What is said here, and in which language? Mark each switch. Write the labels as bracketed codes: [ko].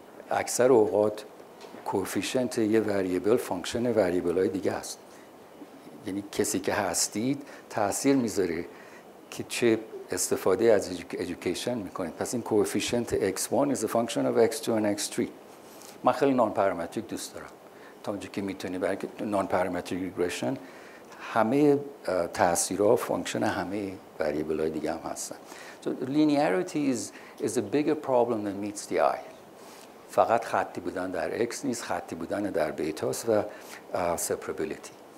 [fa] اکثر اوقات کوفیشنت یه وریبل فانکشن وریبل های دیگه است، یعنی کسی که هستید تاثیر میذاره که چه استفاده از ایژوکیشن میکنید. پس این کوفیشنت [en] x1 is a function of x2 and x3. [fa] من خیلی نان پارامتریک دوست دارم تا اونجا که میتونی، برای که نان پارامتریک ریگرشن همه تأثیرها فانکشن همه وریبل های دیگه هم هستن. [en] So linearity is a bigger problem than meets the eye. [fa] فقط خطی بودن در X نیست، خطی بودن در بیتاست و separability.